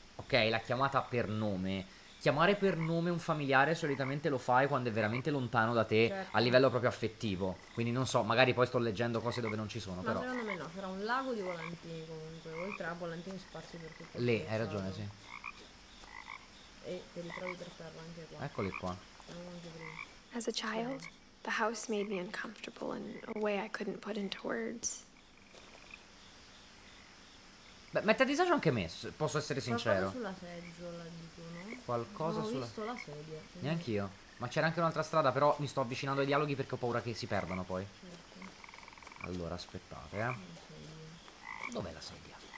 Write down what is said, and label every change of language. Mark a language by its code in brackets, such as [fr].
[it] Ok, l'ha chiamata per nome. Chiamare per nome un familiare solitamente lo fai quando è veramente lontano da te, certo. A livello proprio affettivo. Quindi non so, magari poi sto leggendo cose dove non ci sono, ma però. Ma secondo me no, c'era un lago di volantini comunque, oltre a volantini sparsi per tutto. Lì, hai ragione, sì. E te li trovi per terra anche qua. Eccoli qua. [en] As a child, the house made me uncomfortable in a way I couldn't put into words. [it] Beh, mette a disagio anche me, posso essere sincero. Qualcosa sulla seggiola, dico, no? Qualcosa non ho sulla... visto la sedia. Quindi... Neanch'io. Ma c'era anche un'altra strada, però mi sto avvicinando ai dialoghi perché ho paura che si perdano poi. Certo. Allora, aspettate, eh. Dov'è la sedia?